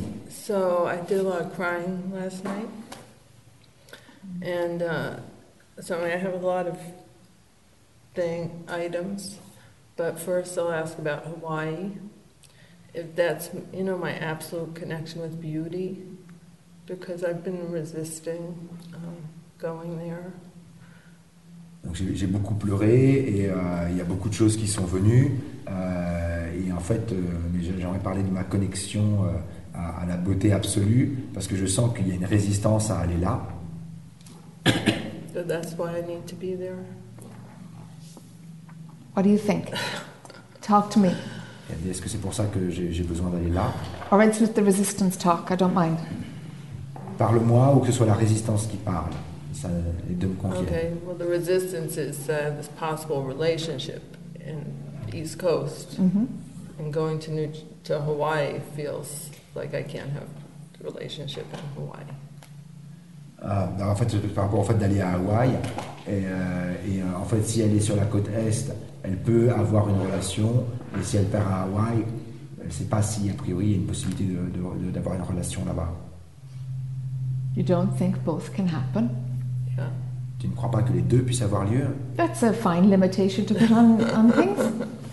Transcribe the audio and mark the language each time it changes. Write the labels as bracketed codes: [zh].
[en] So I did a lot of crying last night, and I have a lot of items, but first I'll ask about Hawaii. If that's, you know, my absolute connection with beauty, because I've been resisting going there. [fr] Donc j'ai beaucoup pleuré et il y a beaucoup de choses qui sont venues et en fait j'aimerais parler de ma connexion à la beauté absolue parce que je sens qu'il y a une résistance à aller là. [en] So that's why I need to be there. What do you think? Talk to me. [fr] Est-ce que c'est pour ça que j'ai besoin d'aller là? [en] Or it's with the resistance talk, I don't mind. [fr] Parle-moi ou que ce soit la résistance qui parle. Ça est de me confier. [en] Okay, well the resistance is this possible relationship in East Coast. Mm-hmm. And going to to Hawaii feels like I can't have a relationship in Hawaii. [fr] En fait, d'aller à Hawaï, et en fait, si elle est sur la côte est, elle peut avoir une relation, et si elle part à Hawaï, elle ne sait pas si, a priori, il y a une possibilité d'avoir une relation là-bas. [en] You don't think both can happen? Yeah. [fr] Tu ne crois pas que les deux puissent avoir lieu? [en] That's a fine limitation to put on things.